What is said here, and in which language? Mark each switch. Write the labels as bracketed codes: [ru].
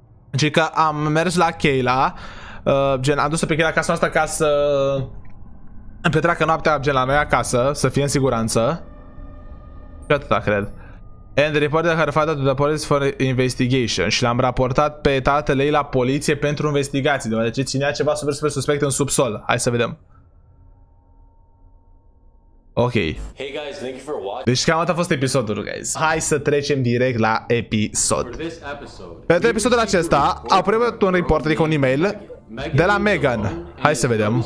[ro] Deci că am mers la Kayla, gen, am dus-o pe Kayla acasă noastră ca să petreacă noaptea, gen, la noi acasă, să fie în siguranță. Și atâta, cred. [en] And reported her father to the police for investigation. [ro] Și l-am raportat pe tatăl ei la poliție pentru investigații, deoarece ținea ceva super, super suspect în subsol. Hai să vedem. [en] Ok. Hey guys, thank you for watching. [ro] Deci cam atât a fost episodul, [en] guys. [ro] Hai să trecem direct la episod. Pentru episodul acesta, a primit un report, adică un e-mail de la Megan. Hai să vedem.